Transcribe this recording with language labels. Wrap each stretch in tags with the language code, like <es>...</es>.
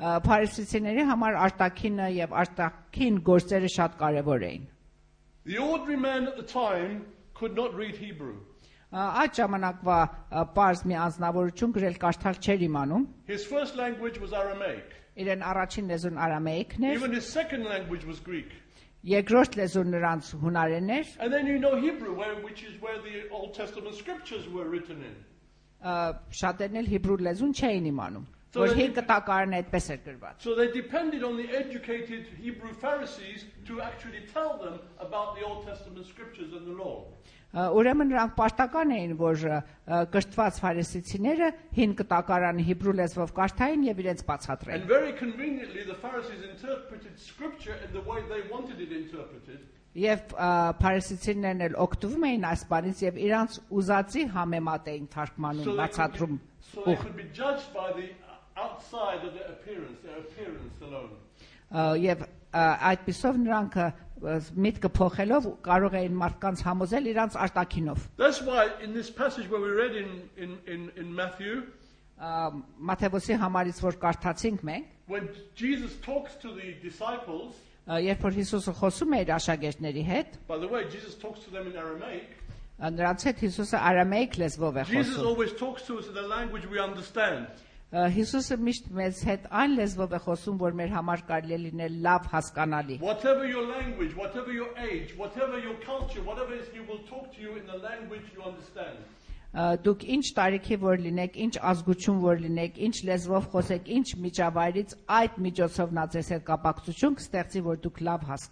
<hy>Փարիսեցիների համար արտաքինը եւ արտաքին գործերը շատ կարեւոր էին։</hy> <en>The ordinary man at the time could not read Hebrew.</en> <hy>Այդ ժամանակվա պարզ մի անձնավորություն գրել կարդալ չէր իմանում։</hy> <en>His first language was Aramaic.</en> <hy>Իրեն առաջին լեզուն արամեիկն էր։</hy> <en>Even his second language was Greek.</en> <hy>Երկրորդ լեզուն նրանց հունարենն էր։</hy> <en>And then you know Hebrew, which is where the Old Testament scriptures were written in.</en> <hy>Շատերն էլ հիբրու լեզուն չէին իմանում, որ հին կտակարն այդպես էր գրված։</hy> <en>So they depended on the educated Hebrew Pharisees to actually tell them about the Old Testament scriptures and the law.</en> <hy>Ուրեմն նրանք պարտական էին, որ կրթված Փարիսեցիները հին կտակարանը հիբրու լեզվով կարդային եւ իրենց բացատրեին։</hy> <en>And very conveniently the Pharisees interpreted scripture in the way they wanted it interpreted.</en> <hy>Եվ Փարիսեցիներն էլ օգտվում էին այս բանից եւ իրանց ուզածի համեմատ էին թարգմանում բացատրում։</hy> <en>So they could be judged by the outside of their appearance alone.</en> <hy>Եվ այդպիսով նրանք միտքը փոխելով կարող էին մարդկանց համոզել իրանց արտաքինով։</hy> <en>That's why in this passage where we read in Matthew,</en> <hy>Մատթեոսի համարից որ կարդացինք մենք,</hy> <en>when Jesus talks to the disciples,</en> <hy>Երբ որ Հիսուսը խոսում է իր աշակերտների հետ,</hy> <en>By the way, Jesus talks to them in Aramaic.</en> <hy>Նրանց հետ Հիսուսը արամեիկ լեզվով է խոսում։</hy> <en>Jesus always talks to us in the language we understand.</en> <hy>Հիսուսը միշտ մեզ հետ այն լեզվով է խոսում, որ մեր համար կարելի է լինել լավ հասկանալի։</hy> <en>Whatever your language, whatever your age, whatever your culture, whatever is, he will talk to you in the language you understand.</en> <hy>Դուք ինչ տարիքի որ լինեք, ինչ ազգություն որ լինեք, ինչ լեզվով խոսեք, ինչ միջավայրից, այդ միջոցով նա ձեզ հետ կապակցություն կստեղծի, որ դուք լավ</hy>